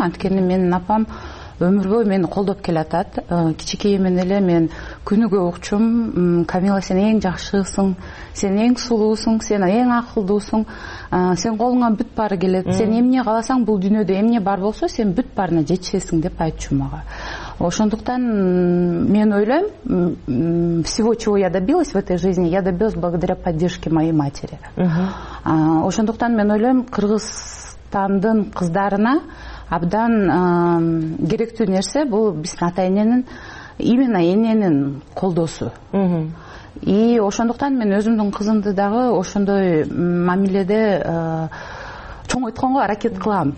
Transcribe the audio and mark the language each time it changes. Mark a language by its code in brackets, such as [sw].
[ky] Анткени менин апам өмүр бою мени колдоп келатат. Кичинекейимден эле мен күнүгө укчум: Камила, сен эң жакшысың, сен эң сулуусуң, сен эң акылдуусуң, сен колуңа бүт баары келет, сен эмне кааласаң бул дүйнөдө эмне бар болсо сен бүт баарына жетишесиң деп айтчу мага. Ошондуктан мен ойлойм, [ru] всего чего я добилась в этой жизни, я добилась благодаря поддержке моей матери. [ky] Ошондуктан мен ойлойм, Кыргызстандын кыздарына абдан керектүү нерсе бул биздин ата эненин, именно эненин колдоосу. И ошондуктан мен өзүмдүн кызымды дагы ошондой мамиледе чоңойтконго аракет кылам.